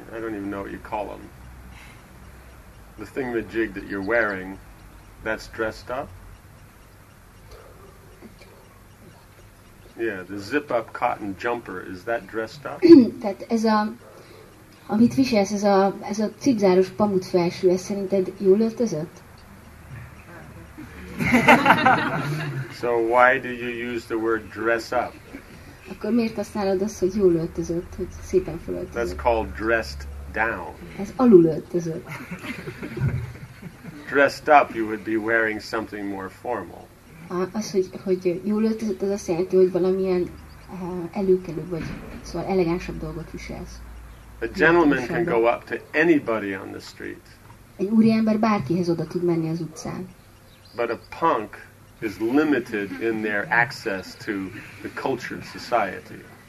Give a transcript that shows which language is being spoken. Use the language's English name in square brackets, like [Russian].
[English] I don't even know what you call them. The thingamajig that you're wearing, that's dressed up. Yeah, the zip-up cotton jumper, is that dressed up? That is [Hungarian] Amit viselsz, ez a cipzáros pamut felső, ez szerinted jól öltözött? [English] So why do you use the word dress up? [Hungarian] Akkor miért használod azt, hogy jól öltözött, hogy szépen felöltözött? [English] That's called dressed down. [Hungarian] Ez alul öltözött. [English] Dressed up, you would be wearing something more formal. [Hungarian] Az, hogy jól öltözött, az azt jelenti, hogy valamilyen előkelőbb vagy, szóval elegánsabb dolgot viselsz. [English] A gentleman can go up to anybody on the street. [Hungarian] Egy úriember bárkihez oda tud menni az utcán. [English] But a punk is limited in their access to the culture of society.